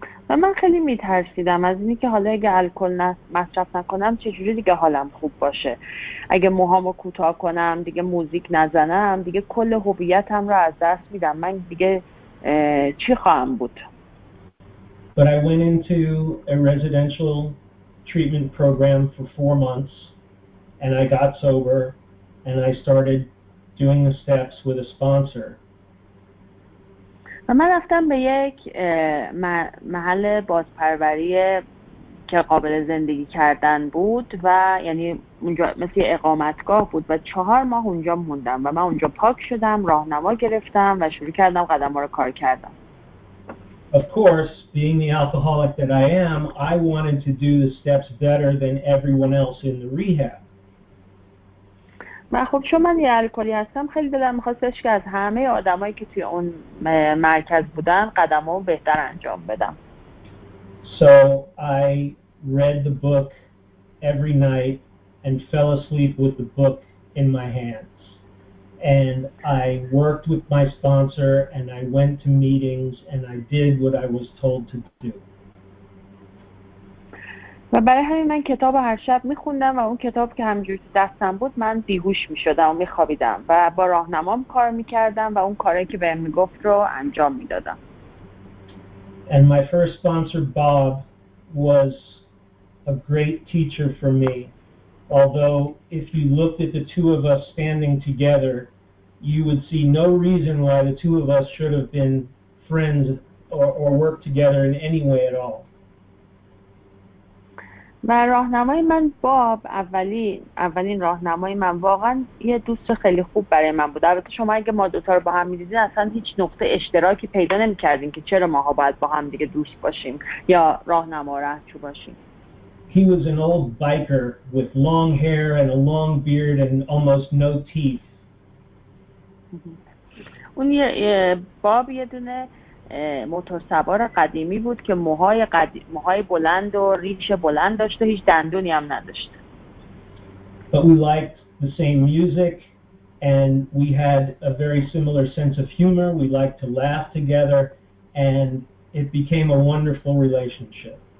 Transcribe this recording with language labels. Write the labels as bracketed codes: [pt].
[fa] و و من خیلی میترسیدم از اینی که حالا اگه الکل مصرف نکنم چجوری دیگه حالم خوب باشه، اگه موهامو کوتاه کنم دیگه موزیک نزنم دیگه کل هویتم رو از دست میدم، من دیگه چی خواهم بود. [en] But I went into a residential treatment program for 4 months and I got sober and I started doing the steps with a sponsor. [fa] و من رفتم به یک محل بازپروری که قابل زندگی کردن بود و یعنی اونجا مثل اقامتگاه بود و 4 ماه اونجا موندم و من اونجا پاک شدم، راهنما گرفتم و شروع کردم قدم‌ها رو کار کردم. [en] Of course, being the alcoholic that I am, I wanted to do the steps better than everyone else in the rehab. [fa] و خب چون من یه الکلی هستم خیلی دلم می‌خواستش که از همه آدمایی که توی اون مرکز بودن قدم‌هامو بهتر انجام بدم. [en] So I read the book every night and fell asleep with the book in my hands. And I worked with my sponsor and I went to meetings and I did what I was told to do. [fa] و برای همین من کتاب هر شب میخوندم و اون کتاب که همجوری دستم بود من بیهوش میشدم و میخوابیدم و با راهنمام کار میکردم و اون کاری که بهم میگفت رو انجام میدادم. [en] And my first sponsor Bob was a great teacher for me. Although if you looked at the two of us standing together, you would see no reason why the two of us should have been friends or worked together in any way at all. [fa] و راهنمای من باب اولین راهنمای من واقعا یه دوست خیلی خوب برای من بود. البته شما اگه ما دوتا رو با هم میدیدین اصلا هیچ نقطه اشتراکی پیدا نمی کردین که چرا ماها باید با هم دیگه دوست باشیم یا راهنما راهچو باشیم. [en] He was an old biker with long hair and a long beard and almost no teeth. [fa] اون یه باب یه دونه موتورسوار قدیمی بود که موهای بلند و ریش بلند داشت و هیچ دندونی هم نداشت. [en] But we liked the same music and we had a very similar sense of humor. We liked to laugh together and it became a wonderful relationship.